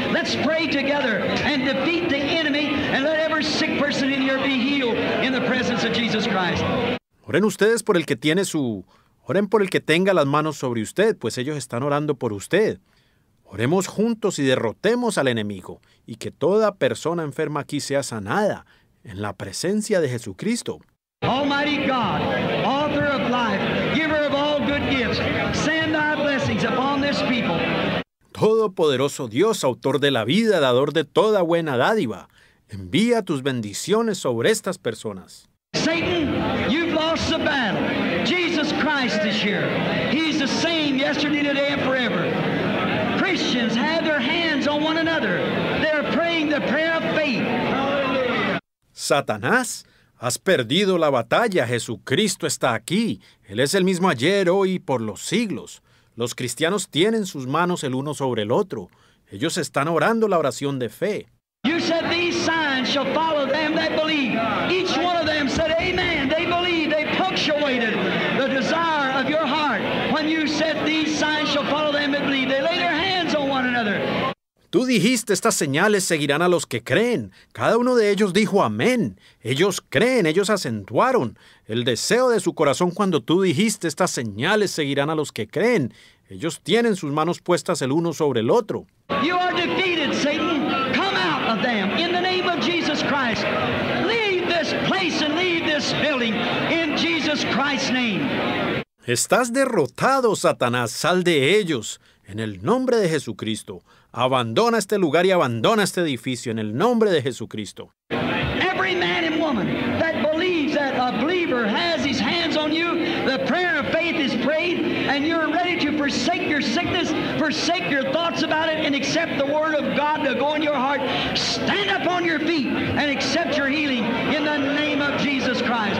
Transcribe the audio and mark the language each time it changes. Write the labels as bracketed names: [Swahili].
[Spanish] Let's pray together and defeat the enemy and let every sick person in here be healed in the presence of Jesus Christ. Oren ustedes por el que tiene su oren por el que tenga las manos sobre usted, pues ellos están orando por usted. Oremos juntos y derrotemos al enemigo y que toda persona enferma aquí sea sanada en la presencia de Jesucristo. [English] Almighty God, author of life, giver of all good gifts, send thy blessings upon this people. [Spanish] Todopoderoso Dios, autor de la vida, dador de toda buena dádiva, envía tus bendiciones sobre estas personas. [English] Satan, you've lost the battle. Jesus Christ is here. He's the same yesterday, today, and forever. Christians have their hands on one another. They're praying the prayer of faith. [Spanish] Satanás, has perdido la batalla. Jesucristo está aquí. Él es el mismo ayer, hoy y por los siglos. Los cristianos tienen sus manos el uno sobre el otro. Ellos están orando la oración de fe. [English] You said these signs shall follow them that believe. Each one of them said amen. They believe. They punctuated the desire of your heart. When you said these signs shall follow them that believe. They lay their hands on one another. [Spanish] Tú dijiste, estas señales seguirán a los que creen. Cada uno de ellos dijo amén. Ellos creen, ellos acentuaron el deseo de su corazón cuando tú dijiste, estas señales seguirán a los que creen. Ellos tienen sus manos puestas el uno sobre el otro. [English] You are defeated, Satan. Come out of them in the name of Jesus Christ. Leave this place and leave this building in Jesus Christ's name. [Spanish] Estás derrotado, Satanás. Sal de ellos en el nombre de Jesucristo. Abandona este lugar y abandona este edificio en el nombre de Jesucristo. [English] Every man and woman that believes that a believer has his hands on you, the prayer of faith is prayed, and you're ready to forsake your sickness, forsake your thoughts about it, and accept the word of God to go in your heart. Stand up on your feet and accept your healing in the name of Jesus Christ.